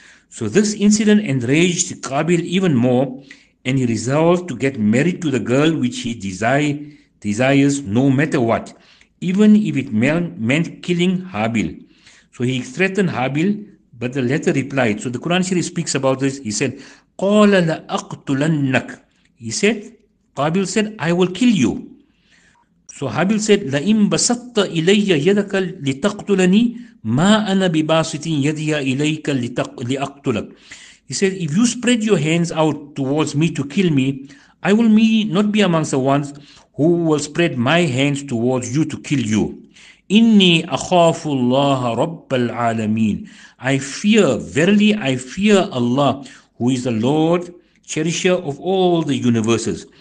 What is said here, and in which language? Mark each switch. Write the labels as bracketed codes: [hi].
[en] So this incident enraged Qabil even more, and he resolved to get married to the girl which he desires no matter what, even if it meant killing Habil. So he threatened Habil, but the latter replied. So the Quran Sharif speaks about this. He said, [ar] قَالَ لَأَقْتُلَنَّكَ. [en] He said, Qabil said, I will kill you. So Habil said, [ar] لَإِن بَسَطَّ إِلَيَّ يَدَكَ لِتَقْتُلَنِي مَا أَنَا بِبَاسِطٍ يَدِيَ إِلَيْكَ لِأَقْتُلَكَ. [en] He said, if you spread your hands out towards me to kill me, I will not be amongst the ones who will spread my hands towards you to kill you. [ar] إِنِّي أَخَافُ اللَّهَ رَبَّ الْعَالَمِينَ. [en] I fear Allah, who is the Lord, cherisher of all the universes.